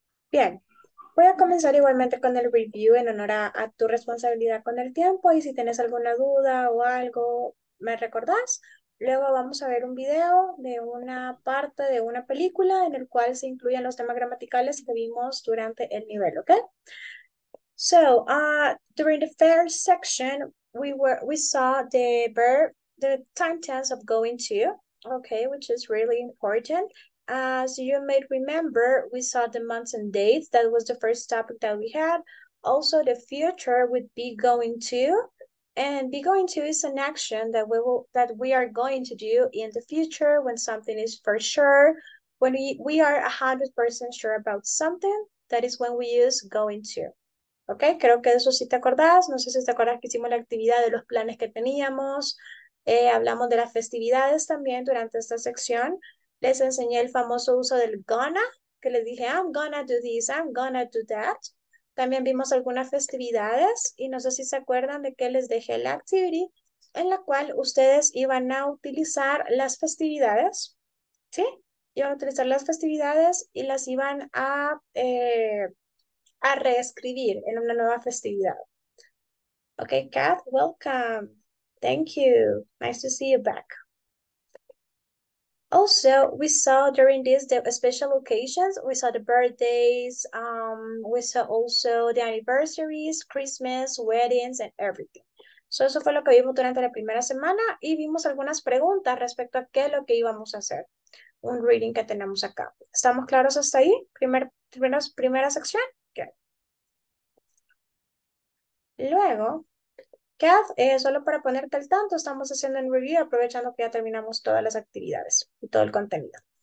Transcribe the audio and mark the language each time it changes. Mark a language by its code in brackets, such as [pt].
[es] Bien, voy a comenzar igualmente con el review en honor a tu responsabilidad con el tiempo y si tienes alguna duda o algo, ¿me recordás? Luego vamos a ver un video de una parte de una película en el cual se incluyen los temas gramaticales que vimos durante el nivel, ¿ok? [en] So, during the first section, we saw the time tense of going to, okay, which is really important. As you may remember, we saw the months and dates. That was the first topic that we had. Also, the future would be going to. And be going to is an action that we are going to do in the future when something is for sure, when we are 100% sure about something. That is when we use going to. [es] Okay, creo que de eso sí te acordás. No sé si te acordás que hicimos la actividad de los planes que teníamos. Hablamos de las festividades también durante esta sección. Les enseñé el famoso uso del gonna, que les dije, [en] I'm gonna do this, I'm gonna do that. [es] También vimos algunas festividades y no sé si se acuerdan de que les dejé la activity en la cual ustedes iban a utilizar las festividades, ¿sí? Iban a utilizar las festividades y las iban a reescribir en una nueva festividad. [en] Ok, Kath, welcome. Thank you. Nice to see you back. Also, we saw during this the special occasions. We saw the birthdays. We saw also the anniversaries, Christmas, weddings, and everything. [es] So eso fue lo que vimos durante la primera semana y vimos algunas preguntas respecto a qué es lo que íbamos a hacer. un reading que tenemos acá. ¿Estamos claros hasta ahí? Primera sección. Luego, solo para ponerte al tanto, estamos haciendo un review aprovechando que ya terminamos todas las actividades y todo el contenido.